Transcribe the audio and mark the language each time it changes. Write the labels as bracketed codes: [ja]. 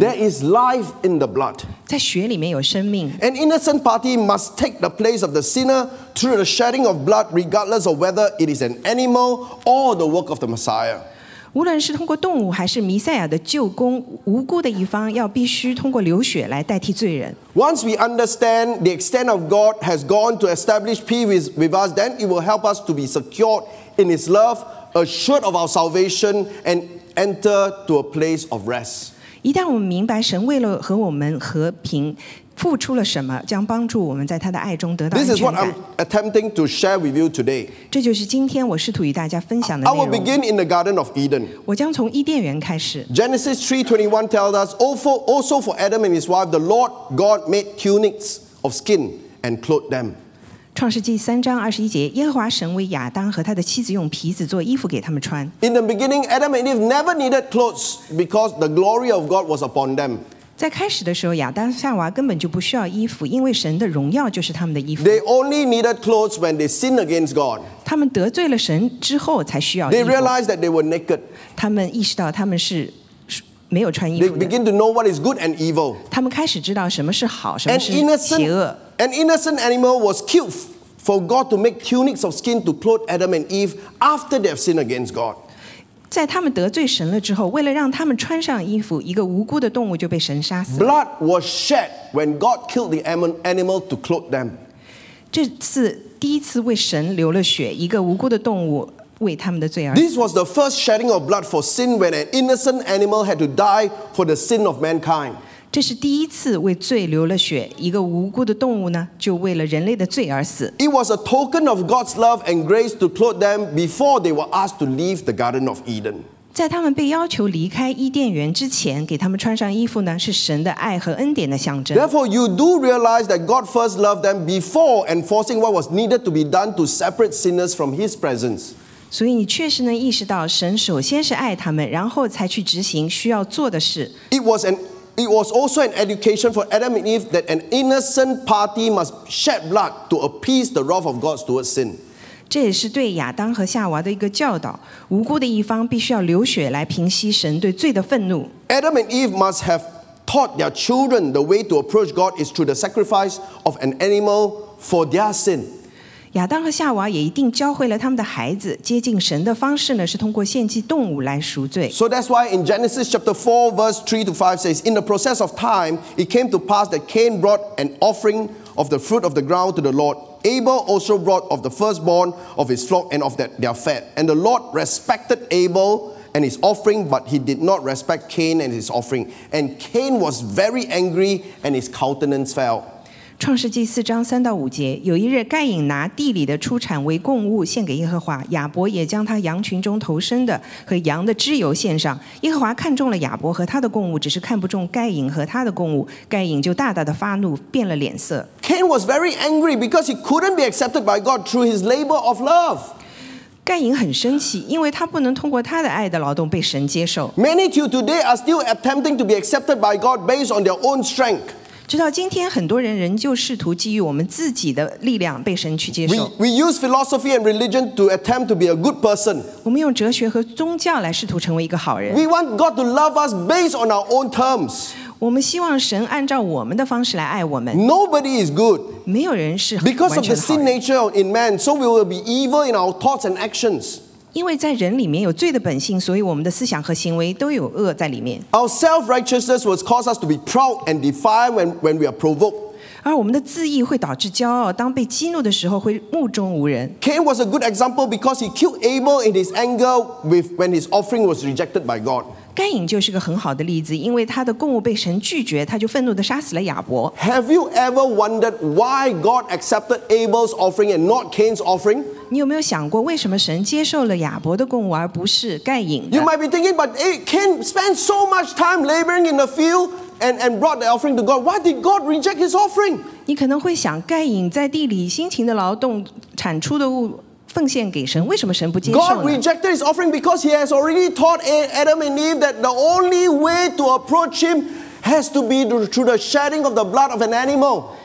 [en] There is life in the blood. [zh] 在血里面有生命。 [en] An innocent party must take the place of the sinner through the shedding of blood, regardless of whether it is an animal or the work of the Messiah. [zh] 无论是通过动物还是弥赛亚的救工，无辜的一方要必须通过流血来代替罪人。 [en] Once we understand the extent of God has gone to establish peace with us, then it will help us to be secured in His love. Assured of our salvation and enter to a place of rest. [zh] 一旦我们明白神为了和我们和平付出了什么，将帮助我们在他的爱中得到安全感。 [en] This is what I'm attempting to share with you today. [zh] 这就是今天我试图与大家分享的内容。 [en] I will begin in the Garden of Eden. [zh] 我将从伊甸园开始。 [en] Genesis 3:21 tells us, also for Adam and his wife, the Lord God made tunics of skin and clothed them. [zh] 创世纪三章二十一节，耶和华神为亚当和他的妻子用皮子做衣服给他们穿。 [en] In the beginning, Adam and Eve never needed clothes because the glory of God was upon them. [zh] 在开始的时候，亚当夏娃根本就不需要衣服，因为神的荣耀就是他们的衣服。 [en] They only needed clothes when they sinned against God. [zh] 他们得罪了神之后才需要衣服。 [en] They realized that they were naked. [zh] 他们意识到他们是没有穿衣服的。 [en] They begin to know what is good and evil. [zh] 他们开始知道什么是好，什么是邪恶。 [en] An innocent animal was killed for God to make tunics of skin to clothe Adam and Eve after they have sinned against God. [zh] 在他们得罪神了之后，为了让他们穿上衣服，一个无辜的动物就被神杀死了。 [en] Blood was shed when God killed the animal to clothe them. [zh] 这次第一次为神流了血，一个无辜的动物为他们的罪而死。 [en] This was the first shedding of blood for sin when an innocent animal had to die for the sin of mankind. [zh] 这是第一次为罪流了血，一个无辜的动物呢，就为了人类的罪而死。 [en] It was a token of God's love and grace to clothe them before they were asked to leave the Garden of Eden. [zh] 在他们被要求离开伊甸园之前，给他们穿上衣服呢，是神的爱和恩典的象征。 [en] Therefore, you do realize that God first loved them before enforcing what was needed to be done to separate sinners from His presence. [zh] 所以你确实能意识到，神首先是爱他们，然后才去执行需要做的事。 [en] It was also an education for Adam and Eve that an innocent party must shed blood to appease the wrath of God towards sin. [zh] 这也是对亚当和夏娃的一个教导，无辜的一方必须要流血来平息神对罪的愤怒。 [en] Adam and Eve must have taught their children the way to approach God is through the sacrifice of an animal for their sin. [zh] 亚当和夏娃也一定教会了他们的孩子，接近神的方式呢，是通过献祭动物来赎罪。 [en] So that's why in Genesis chapter 4 verse 3 to 5 says, In the process of time, it came to pass that Cain brought an offering of the fruit of the ground to the Lord. Abel also brought of the firstborn of his flock and of their fat. And the Lord respected Abel and his offering, but he did not respect Cain and his offering. And Cain was very angry and his countenance fell. [zh] 创世纪四章三到五节，有一日，盖隐拿地里的出产为供物献给耶和华，亚伯也将他羊群中投生的和羊的脂油献上。耶和华看中了亚伯和他的供物，只是看不中盖隐和他的供物，盖隐就大大的发怒，变了脸色。 [en] Cain was very angry because he couldn't be accepted by God through his labor of love. [zh] 盖隐很生气，因为他不能通过他的爱的劳动被神接受。 [en] Many till today are still attempting to be accepted by God based on their own strength. [zh] 直到今天，很多人仍旧试图基于我们自己的力量被神去接受。 [en] We use philosophy and religion to attempt to be a good person. [zh] 我们用哲学和宗教来试图成为一个好人。 [en] We want God to love us based on our own terms. [zh] 我们希望神按照我们的方式来爱我们。 [en] Nobody is good. [zh] 没有人是完全的好人。 [en] Because of the sin nature in man, so we will be evil in our thoughts and actions. [zh] 因为在人里面有罪的本性，所以我们的思想和行为都有恶在里面。 [en] Our self-righteousness will cause us to be proud and defiant when we are provoked. [zh] 而我们的自义会导致骄傲，当被激怒的时候会目中无人。 [en] Cain was a good example because he killed Abel in his anger when his offering was rejected by God. [zh] 盖隐就是个很好的例子，因为他的供物被神拒绝，他就愤怒地杀死了亚伯。 [en] Have you ever wondered why God accepted Abel's offering and not Cain's offering? [zh] 你有没有想过，为什么神接受了亚伯的供物而不是盖隐的 [en] ？You might be thinking, but Cain spent so much time laboring in the field and brought the offering to God. Why did God reject his offering? [zh] 你可能会想，盖隐在地里辛勤的劳动，产出的物奉献给神，为什么神不接受呢 [en] ？God rejected his offering because he has already taught Adam and Eve that the only way to approach him has to be through the shedding of the blood of an animal.